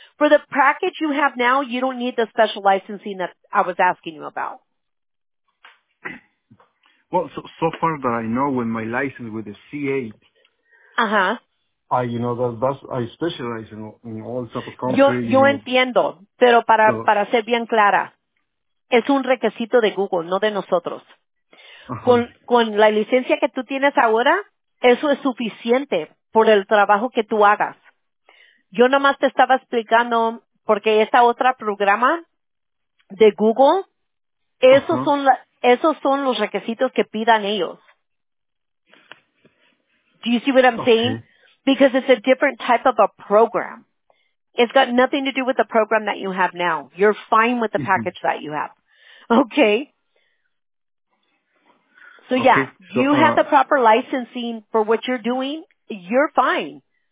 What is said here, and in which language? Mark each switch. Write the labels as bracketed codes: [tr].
[en] For the package you have now, you don't need the special licensing that I was asking you about. Well, so far that I know, with my license with the CA, I specialize in all sorts of companies. [es] Yo entiendo, pero para ser bien clara, es un requisito de Google, no de nosotros. Con la licencia que tú tienes ahora, eso es suficiente por el trabajo que tú hagas. Yo nomás te estaba explicando porque esa otra programa de Google, esos uh-huh. son esos son los requisitos que pidan ellos. [en] Do you see what I'm saying? Because it's a different type of a program. It's got nothing to do with the program that you have now. You're fine with the package that you have. Okay. So yeah, okay. So, you have the proper licensing for what you're doing. You're fine.